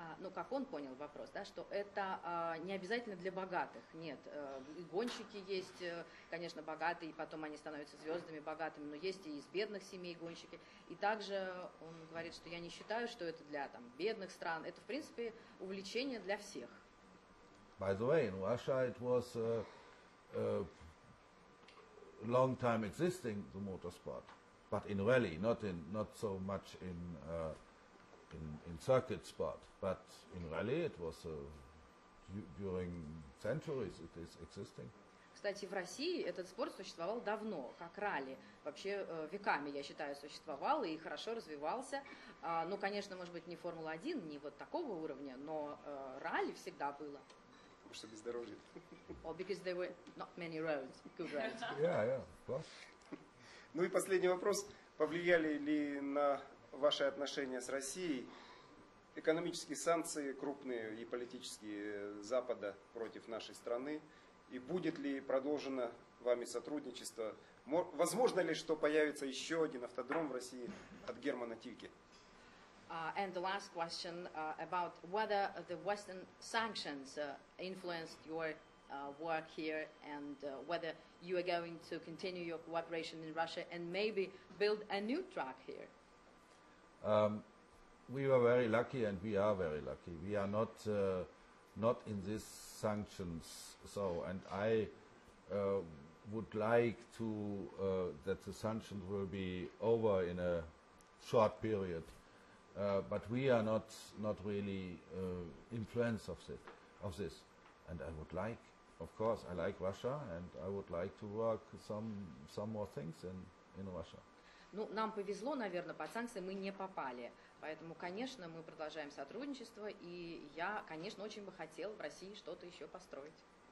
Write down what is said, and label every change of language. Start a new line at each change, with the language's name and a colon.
Russian: Ну, как он понял вопрос, да, что это не обязательно для богатых, нет, и гонщики есть, конечно, богатые, и потом они становятся звездами богатыми, но есть и из бедных семей гонщики, и также он говорит, что я не считаю, что это для там, бедных стран, это, в принципе, увлечение для всех.
English: By the way, in Russia it was a long time existing, the motorsport, but in rally, not so much in circuit sport, but in rally it was during centuries it is existing.
Russian: Кстати, в России этот спорт существовал давно, как ралли. Вообще веками, я считаю, существовал и хорошо развивался. Ну, конечно, может быть, не Формула-1, не вот такого уровня, но ралли всегда было. Потому что бездорожье.
English: Well, because there were not many roads, good roads. Yeah, of course.
Russian: Ну и последний вопрос. Повлияли ли на ваши отношения с Россией, экономические санкции крупные и политические Запада против нашей страны, и будет ли продолжено вами сотрудничество? Возможно ли, что появится еще один автодром в России от Германа Тильке?
English: And the last question about whether the Western sanctions influenced your work here and whether you are going to continue your cooperation in Russia and maybe build a new track here. We were very lucky, and we are very lucky. We are not not in these sanctions. So, and I would like to that the sanctions will be over in a short period. But we are not really influenced of this. And I would like, of course, I like Russia, and I would like to work some more things in Russia.
Russian: Ну, нам повезло, наверное, под санкции мы не попали. Поэтому, конечно, мы продолжаем сотрудничество, и я, конечно, очень бы хотел в России что-то еще построить.